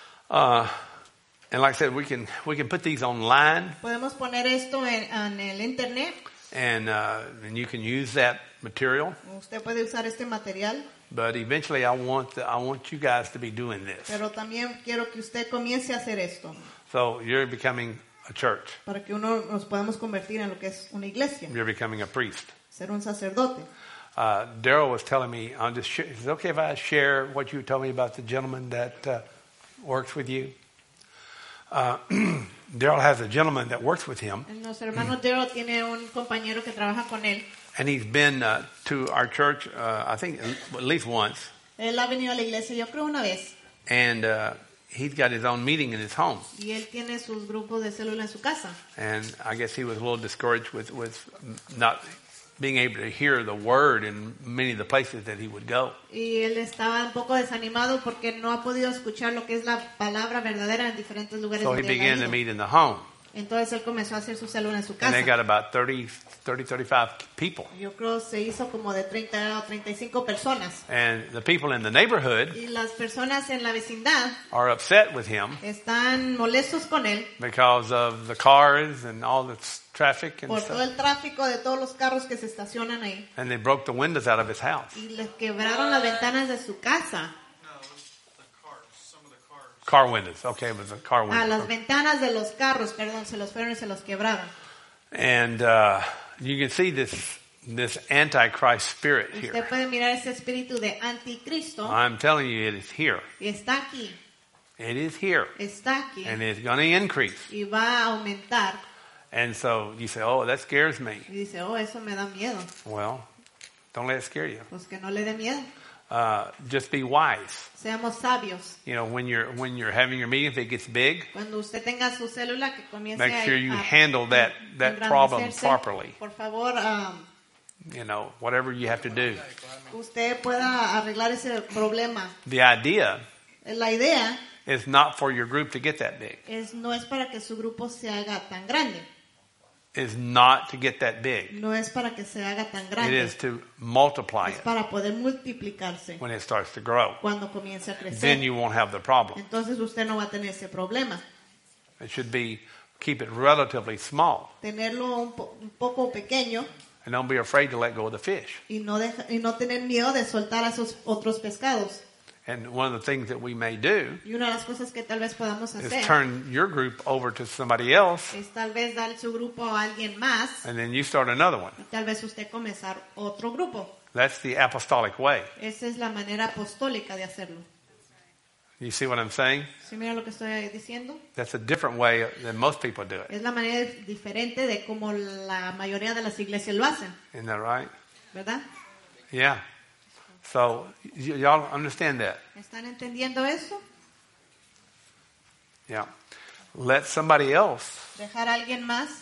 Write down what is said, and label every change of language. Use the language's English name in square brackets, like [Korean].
[English] And like I said, we can put these online. [Spanish] Podemos poner esto en el internet. [English] And you can use that material. [Spanish] Usted puede usar este material. [English] But eventually, I want you guys to be doing this. [Spanish] Pero también quiero que usted comience a hacer esto. [English] So you're becoming a church. [Spanish] Para que uno nos podamos convertir en lo que es una iglesia. [English] You're becoming a priest. [Spanish] Ser un sacerdote. [English] Daryl was telling me, is it okay if I share what you told me about the gentleman that works with you? Daryl has a gentleman that works with him. [Spanish] Nuestro hermano Daryl tiene un compañero que trabaja con él. [English] And he's been to our church, I think, at least once. [Spanish] Él ha venido a la iglesia, yo creo, una vez. [English] And he's got his own meeting in his home. [Spanish] Y él tiene sus grupos de célula en su casa. [English] And I guess he was a little discouraged with not being able to hear the word in many of the places that he would go. [Spanish] Y él estaba un poco desanimado porque no ha podido escuchar lo que es la palabra verdadera en diferentes lugares. [English] So he began to meet in the home. [Spanish] Entonces él comenzó a hacer su célula en su casa. [English] And they got about 35 people. [Spanish] Yo creo se hizo como de 30 o 35 personas. [English] And the people in the neighborhood [Spanish] y las personas en la vecindad [English] are upset with him. [Spanish] Están molestos con él. [English] Because of the cars and all the traffic and [Spanish] por [English] stuff. [Spanish] Todo el tráfico de todos los carros que se estacionan ahí. [English] And they broke the windows out of his house. [Spanish] Y les quebraron las ventanas de su casa. [English] Car windows. Okay, it was a car window. [Spanish] Ah, las ventanas de los carros, perdón, se los fueron y se los quebraron. [English] And you can see this antichrist spirit here. [Spanish] Usted puede mirar ese espíritu de anticristo. [English] I'm telling you, it is here. [Spanish] Está aquí. [English] It is here. [Spanish] Está aquí. [English] And it's going to increase. [Spanish] Y va a aumentar. [English] And so you say, oh, that scares me. [Spanish] Y dice, oh, eso me da miedo. [English] Well, don't let it scare you. [Spanish] Pues que no le dé miedo. [English] Just be wise. [Spanish] Seamos sabios. [English] You know, when you're having your meeting, if it gets big, [Spanish] cuando usted tenga su célula, que comience [English] make sure you handle that problem properly. [Spanish] Por favor, [English] you know, whatever you have to do. [Spanish] Usted pueda arreglar ese problema. [English] The idea, [Spanish] la idea [English] is not for your group to get that big. [Spanish] Es, no es para que su grupo se haga tan grande. [English] Is not to get that big. [Spanish] No es para que se haga tan grande. [English] It is to multiply it. [Spanish] Es para poder multiplicarse. [English] When it starts to grow. [Spanish] Cuando comience a crecer. [English] Then you won't have the problem. [Spanish] Entonces usted no va a tener ese problema. [English] It should be keep it relatively small. [Spanish] Tenerlo un poco pequeño. [English] And don't be afraid to let go of the fish. [Spanish] Y no tener miedo de soltar a esos otros pescados. [English] And one of the things that we may do [Spanish] y una de las cosas que tal vez podamos hacer [English] is turn your group over to somebody else [Spanish] es tal vez dar su grupo a alguien más, [English] and then you start another one. [Spanish] Y tal vez usted comenzar otro grupo. [English] That's the apostolic way. [Spanish] Esa es la manera apostólica de hacerlo. [English] You see what I'm saying? [Spanish] ¿Sí mira lo que estoy diciendo? [English] That's a different way than most people do it. [Spanish] Es la manera diferente de como la mayoría de las iglesias lo hacen. [English] Isn't that right? [Spanish] ¿Verdad? [English] Yeah. So, y'all understand that? [Spanish] ¿Están entendiendo eso? [English] Yeah. Let somebody else [Spanish] dejar a alguien más